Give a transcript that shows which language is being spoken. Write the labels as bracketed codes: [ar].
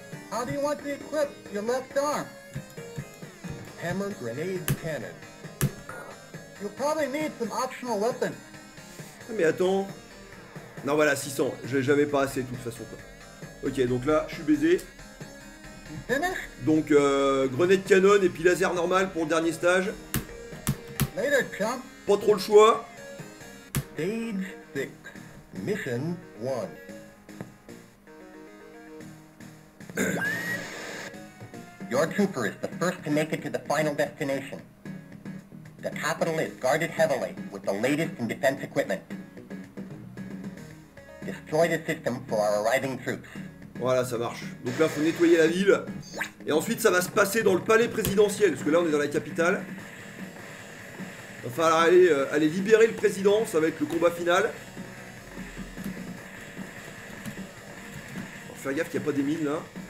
[en] How do you want to equip your left arm? Hammer, grenade, cannon. You'll probably need some optional weapons. [fr] Mais attends. Non, voilà, 600. J'avais pas assez de toute façon. Ok, donc là, je suis baisé. Donc, grenade, cannon et puis laser normal pour le dernier stage. [en] Later, chump. [fr] Pas trop le choix. [en] Stage 6. Mission 1. Your trooper is the first to make it to the final destination. The capital is guarded heavily with the latest in defense equipment. Destroy the system for our arriving troops. [fr] Voilà, ça marche. Donc là, faut nettoyer la ville. Et ensuite, ça va se passer dans le palais présidentiel, parce que là, on est dans la capitale. Il va falloir aller libérer le président, ça va être le combat final. Alors, faire gaffe qu'il n'y a pas des mines, là.